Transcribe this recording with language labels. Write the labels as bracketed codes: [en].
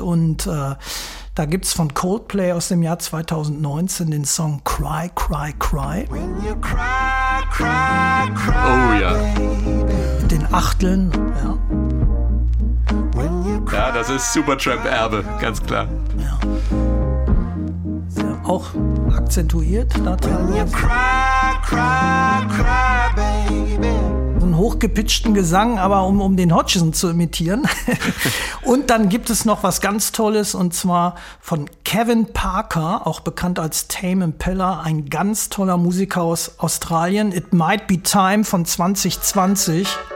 [de] Und da gibt es von Coldplay aus dem Jahr 2019 den Song Cry, Cry, Cry. [en] When you cry, cry, cry, oh ja. Yeah. [de] Den Achteln. Ja. [en] When you cry, [de] ja, das ist Supertramp-Erbe, ganz klar. Ja. Auch akzentuiert. Da [en] When you cry, cry, cry, baby. [de] Hochgepitchten Gesang, aber um den Hodgson zu imitieren. Und dann gibt es noch was ganz Tolles, und zwar von Kevin Parker, auch bekannt als Tame Impala, ein ganz toller Musiker aus Australien. It Might Be Time von 2020.